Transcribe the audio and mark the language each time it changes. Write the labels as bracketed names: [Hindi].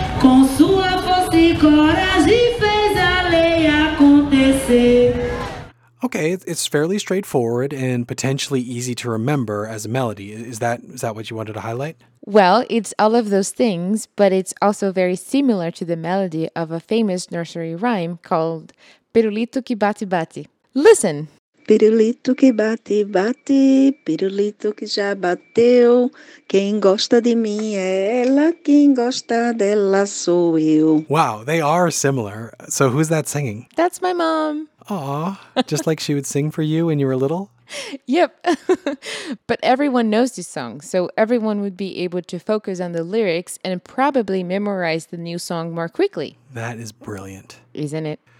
[Portuguese] Com sua força e coragem fez a lei acontecer. [English] Okay, it's fairly straightforward and potentially easy to remember as a melody. Is that what you wanted to highlight? Well, it's all of those things, but it's also very similar to the melody of a famous nursery rhyme called Pirulito que bate bate. Listen. [Portuguese] Pirulito que bate bate, pirulito que já bateu. Quem gosta de mim é ela, quem gosta dela sou eu. [English] Wow, they are similar. So who's that singing? That's my mom. Aw, just like she would sing for you when you were little? Yep. But everyone knows this song, so everyone would be able to focus on the lyrics and probably memorize the new song more quickly. That is brilliant. Isn't it?